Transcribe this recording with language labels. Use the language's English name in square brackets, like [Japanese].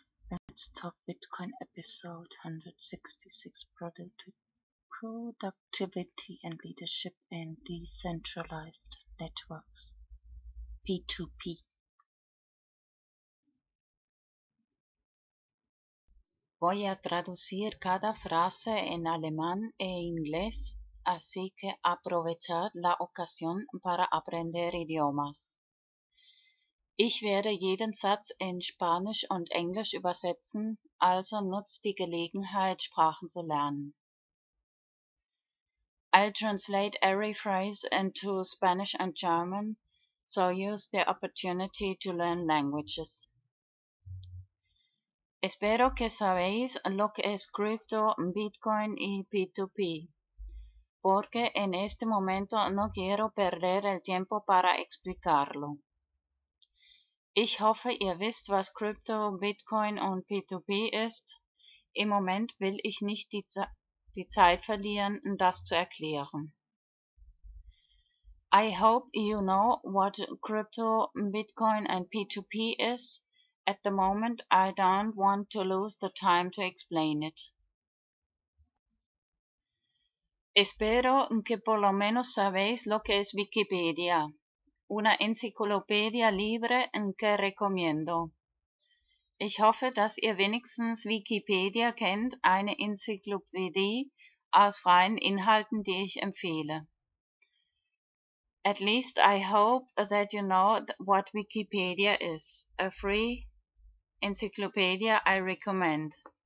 [English] Let's talk Bitcoin episode 166, productivity and leadership and decentralized networks, P2P. [Spanish] Voy a traducir cada frase en alemán e inglés, así que aprovechad la ocasión para aprender idiomas. [German] Ich werde jeden Satz in Spanisch und Englisch übersetzen, also nutzt die Gelegenheit, Sprachen zu lernen. [English] I'll translate every phrase into Spanish and German, so use the opportunity to learn languages. [Spanish] Espero que sabéis lo que es cripto, Bitcoin y P2P, porque en este momento no quiero perder el tiempo para explicarlo. [German] Ich hoffe, ihr wisst, was Krypto, Bitcoin und P2P ist. Im Moment will ich nicht die Zeit verlieren, das zu erklären. [English] I hope you know what Krypto, Bitcoin and P2P is. At the moment, I don't want to lose the time to explain it. [Spanish] Espero que por lo menos sabéis lo que es Wikipedia. Una enciclopedia libre que recomiendo. [German] Ich hoffe, dass ihr wenigstens Wikipedia kennt, eine Enzyklopädie aus freien Inhalten, die ich empfehle. [English] At least I hope that you know what Wikipedia is, a free encyclopedia I recommend.